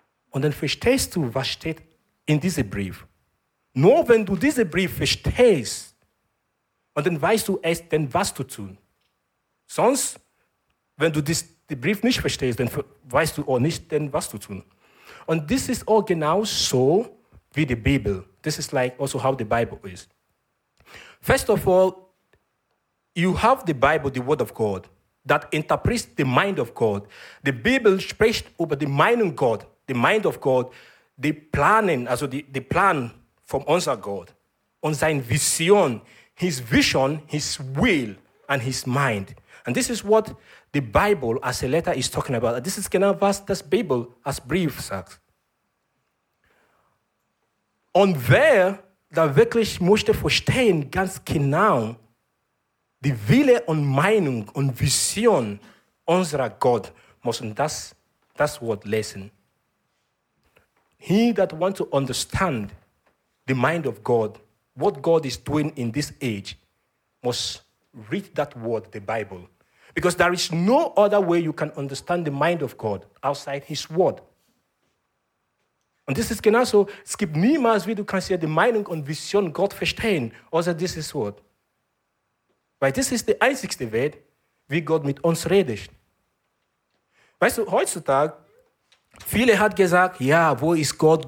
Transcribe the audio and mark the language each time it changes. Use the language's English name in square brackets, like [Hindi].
[German] Und dann verstehst du, was steht in diesem Brief. Nur wenn du diesen Brief verstehst, und dann weißt du erst, dann, was du tun. Sonst, wenn du den Brief nicht verstehst, dann weißt du auch nicht, denn was du tun. Und das ist auch genau so wie die Bibel. Das ist [English] like also how the Bible is. First of all, you have the Bible, the Word of God, that interprets the mind of God. The Bible [German] spricht über die Meinung [English] God, the mind of God, the planning, also the plan from [German] unser [English] God, [German] und sein Vision, [English] his will, and his mind. And this is what the Bible as a letter is talking about. This is [German] genau was das Bibel [English] as [German] brief sagt. Und wer da wirklich möchte verstehen ganz genau die Wille und Meinung und Vision unserer Gott, muss das Wort lesen. [English] He that wants to understand the mind of God, what God is doing in this age, must read that word, the Bible. Because there is no other way you can understand the mind of God outside his word. [German] Und das ist genauso, es gibt niemals, wie du kannst ja die Meinung und Vision Gott verstehen, außer dieses Wort. Weil das ist die einzigste Welt, wie Gott mit uns redet. Weißt du, heutzutage, viele hat gesagt, ja, wo ist Gott?